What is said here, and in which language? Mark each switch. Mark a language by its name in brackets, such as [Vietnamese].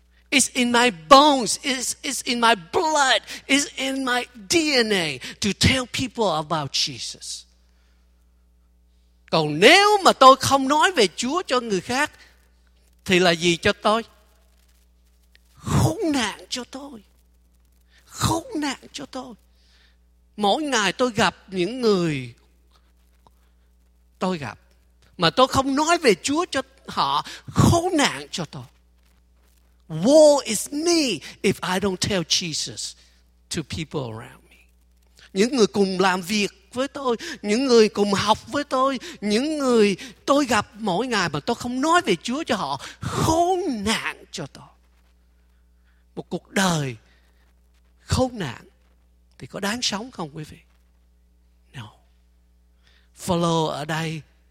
[English] It's in my bones, it's in my blood, it's in my DNA to tell people about Jesus. [Vietnamese] Còn nếu mà tôi không nói về Chúa cho người khác, thì là gì cho tôi? Khốn nạn cho tôi. Khốn nạn cho tôi. Mỗi ngày tôi gặp những người tôi gặp mà tôi không nói về Chúa cho họ, khốn nạn cho tôi. [English] Woe is me if I don't tell Jesus to people around me. [Vietnamese] Những người cùng làm việc với tôi, những người cùng học với tôi, những người tôi gặp mỗi ngày mà tôi không nói về Chúa cho họ, khốn nạn cho tôi. Một cuộc đời khốn nạn thì có đáng sống không quý vị? [English] No. [Vietnamese] Phaolô ở đây